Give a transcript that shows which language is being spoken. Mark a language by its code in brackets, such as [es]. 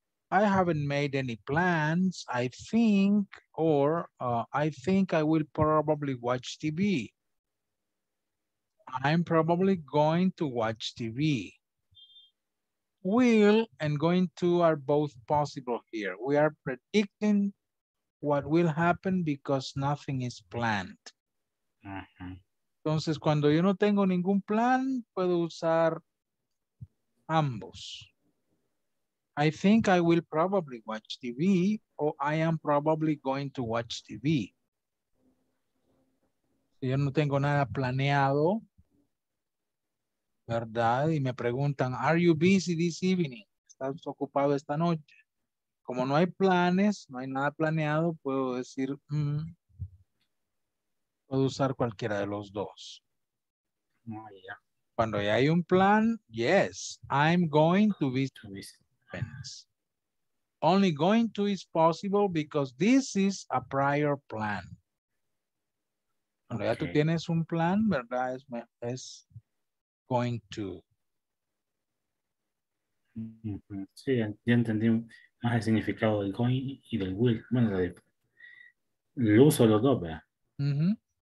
[en] I haven't made any plans, I think, or I think I will probably watch TV. I'm probably going to watch TV. Will and going to are both possible here. We are predicting what will happen because nothing is planned. Uh-huh. [es] Entonces, cuando yo no tengo ningún plan, puedo usar ambos. [en] I think I will probably watch TV, or I am probably going to watch TV. [es] Si yo no tengo nada planeado, ¿verdad? Y me preguntan, [en] are you busy this evening? [es] ¿Estás ocupado esta noche? Como no hay planes, no hay nada planeado, puedo decir, puedo usar cualquiera de los dos. [en] Oh, yeah. [es] Cuando ya hay un plan, [en] yes, I'm going to visit. Only going to is possible because this is a prior plan. [es] Cuando okay. Ya tú tienes un plan, ¿verdad? Es going to. Sí, ya entendí más el significado del going y del will. Bueno, el uso de los dos, ¿verdad? Uh-huh.